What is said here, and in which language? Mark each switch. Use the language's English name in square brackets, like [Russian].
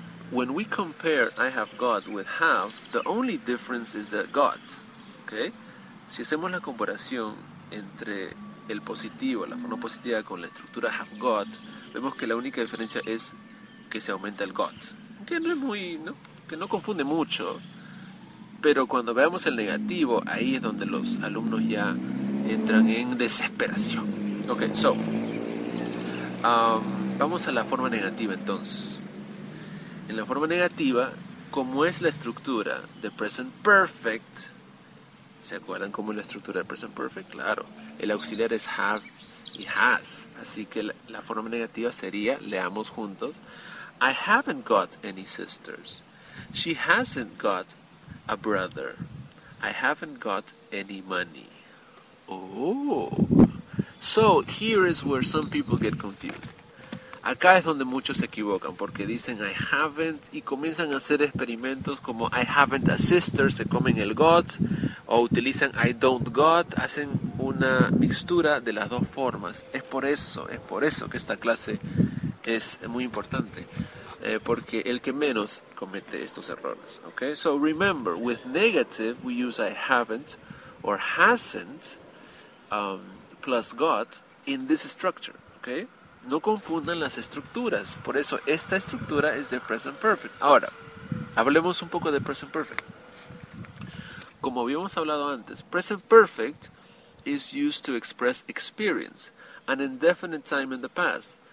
[English] When we compare I have got with have, the only difference is the got, okay? [Spanish] Si hacemos la comparación entre el positivo, la forma positiva con la estructura have got, vemos que la única diferencia es que se aumenta el got. Que no es muy, ¿no? Que no confunde mucho. Pero cuando veamos el negativo, ahí es donde los alumnos ya entran en desesperación. Ok, so. Vamos a la forma negativa entonces. En la forma negativa, como es la estructura de present perfect, ¿se acuerdan cómo es la estructura del present perfect? Claro, el auxiliar es have y has. Así que la forma negativa sería, leamos juntos, [English] I haven't got any sisters. She hasn't got a brother. I haven't got any money. Oh, so here is where some people get confused. [Spanish] Acá es donde muchos se equivocan porque dicen I haven't y comienzan a hacer experimentos como [English] I haven't a sister, [Spanish] se comen el got, o utilizan I don't got, hacen una mixtura de las dos formas. Es por eso que esta clase es muy importante, porque el que menos comete estos errores, okay? [English] So remember, with negative we use I haven't or hasn't plus got in this structure, okay? [Spanish] No confundan las estructuras, por eso esta estructura es de present perfect. Ahora, hablemos un poco de [English] present perfect. Como habíamos hablado antes, present perfect is used to express experience, an indefinite time in the past.